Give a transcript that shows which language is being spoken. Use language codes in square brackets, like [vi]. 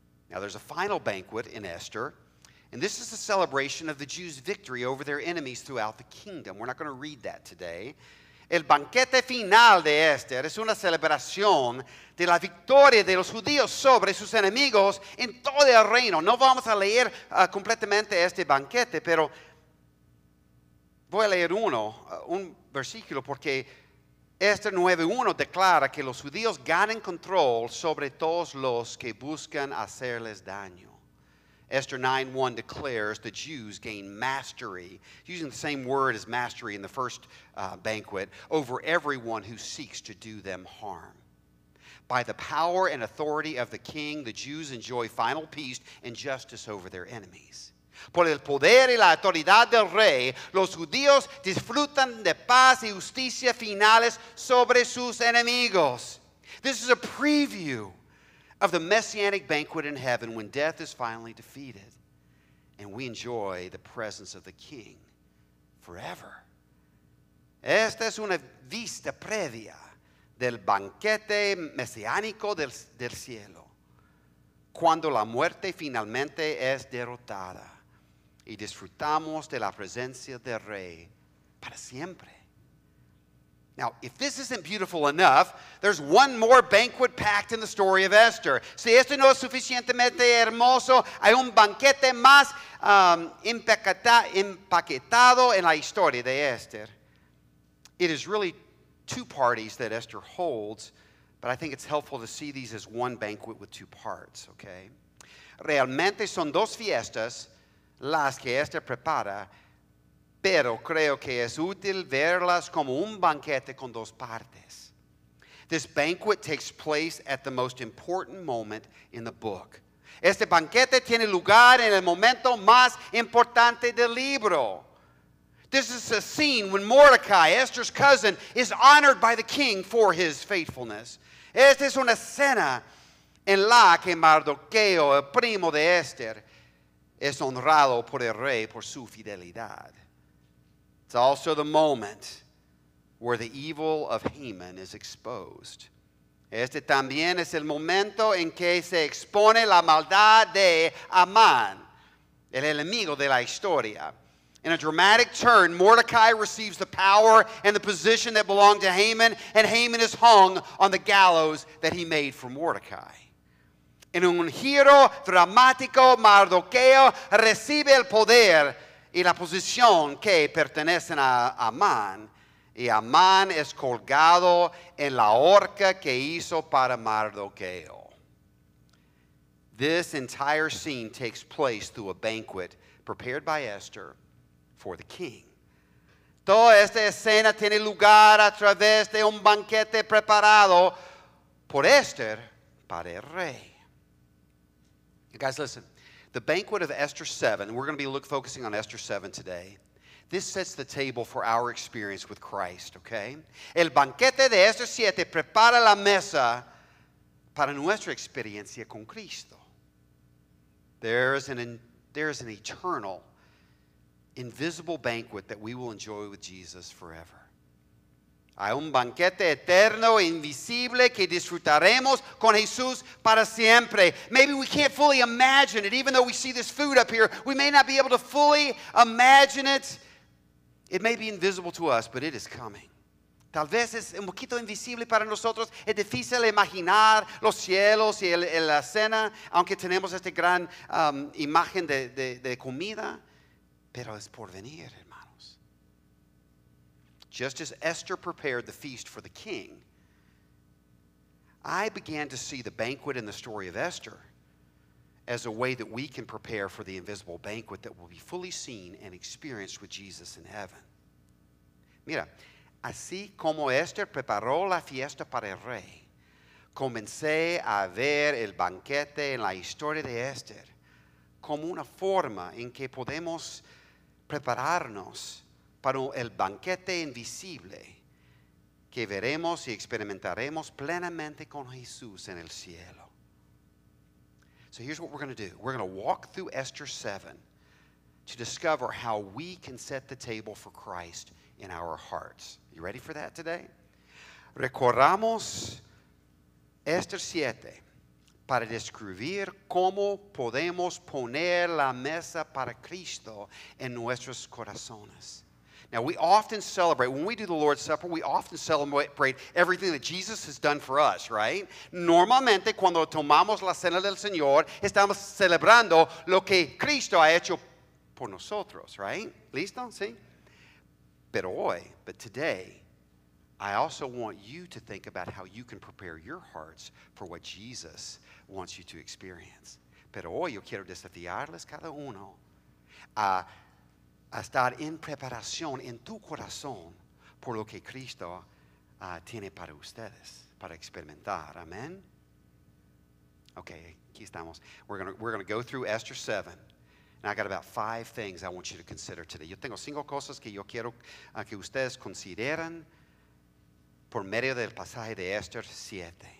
[en] Now, there's a final banquet in Esther, and this is a celebration of the Jews' victory over their enemies throughout the kingdom. We're not going to read that today. [es] El banquete final de Esther es una celebración de la victoria de los judíos sobre sus enemigos en todo el reino. No vamos a leer completamente este banquete, pero voy a leer un versículo, porque Esther 9:1 declara que los judíos ganan control sobre todos los que buscan hacerles daño. [en] Esther 9:1 declares the Jews gain mastery, using the same word as mastery in the first banquet, over everyone who seeks to do them harm. By the power and authority of the king, the Jews enjoy final peace and justice over their enemies. [es] Por el poder y la autoridad del rey, los judíos disfrutan de paz y justicia finales sobre sus enemigos. [en] This is a preview of the messianic banquet in heaven when death is finally defeated and we enjoy the presence of the king forever. [es] Esta es una vista previa del banquete mesiánico del cielo, cuando la muerte finalmente es derrotada y disfrutamos de la presencia del rey para siempre. [en] Now, if this isn't beautiful enough, there's one more banquet packed in the story of Esther. [es] Si esto no es suficientemente hermoso, hay un banquete más empaquetado en la historia de Esther. [en] It is really two parties that Esther holds, but I think it's helpful to see these as one banquet with two parts, okay? [es] Realmente son dos fiestas las que Esther prepara, pero creo que es útil verlas como un banquete con dos partes. [en] This banquet takes place at the most important moment in the book. [es] Este banquete tiene lugar en el momento más importante del libro. [en] This is a scene when Mordecai, Esther's cousin, is honored by the king for his faithfulness. [es] Esta es una escena en la que Mardoqueo, el primo de Esther, es honrado por el rey por su fidelidad. [en] It's also the moment where the evil of Haman is exposed. [es] Este también es el momento en que se expone la maldad de Amán, el enemigo de la historia. [en] In a dramatic turn, Mordecai receives the power and the position that belong to Haman, and Haman is hung on the gallows that he made for Mordecai. [es] En un giro dramático, Mardoqueo recibe el poder y la posición que pertenecen a Amán, y Amán es colgado en la horca que hizo para Mardoqueo. [en] This entire scene takes place through a banquet prepared by Esther for the king. [es] Toda esta escena tiene lugar a través de un banquete preparado por Esther para el rey. [en] You guys, listen. The banquet of Esther 7, and we're going to be focusing on Esther 7 today. This sets the table for our experience with Christ, okay? [es] El banquete de Esther 7 prepara la mesa para nuestra experiencia con Cristo. [en] There is an eternal, invisible banquet that we will enjoy with Jesus forever. [es] Hay un banquete eterno e invisible que disfrutaremos con Jesús para siempre. [en] Maybe we can't fully imagine it, even though we see this food up here. We may not be able to fully imagine it. It may be invisible to us, but it is coming. [es] Tal vez es un poquito invisible para nosotros. Es difícil imaginar los cielos y la cena, aunque tenemos esta gran imagen de comida. Pero es por venir. [en] Just as Esther prepared the feast for the king, I began to see the banquet in the story of Esther as a way that we can prepare for the invisible banquet that will be fully seen and experienced with Jesus in heaven. [es] Mira, así como Esther preparó la fiesta para el rey, comencé a ver el banquete en la historia de Esther como una forma en que podemos prepararnos para el banquete invisible que veremos y experimentaremos plenamente con Jesús en el cielo. [en] So here's what we're going to do. We're going to walk through Esther 7 to discover how we can set the table for Christ in our hearts. You ready for that today? [es] Recorramos Esther 7 para describir cómo podemos poner la mesa para Cristo en nuestros corazones. [en] Now, we often celebrate, when we do the Lord's Supper, we often celebrate everything that Jesus has done for us, right? [es] Normalmente, cuando tomamos la cena del Señor, estamos celebrando lo que Cristo ha hecho por nosotros, [en] right? [es] ¿Listo? ¿Sí? [en] But today, I also want you to think about how you can prepare your hearts for what Jesus wants you to experience. [es] Pero hoy yo quiero desafiarles cada uno a estar en preparación en tu corazón por lo que Cristo tiene para ustedes, para experimentar. Amen? Okay, aquí estamos. [en] We're gonna go through Esther 7. And I got about 5 things I want you to consider today. [es] Yo tengo 5 cosas que yo quiero que ustedes consideren por medio del pasaje de Esther 7.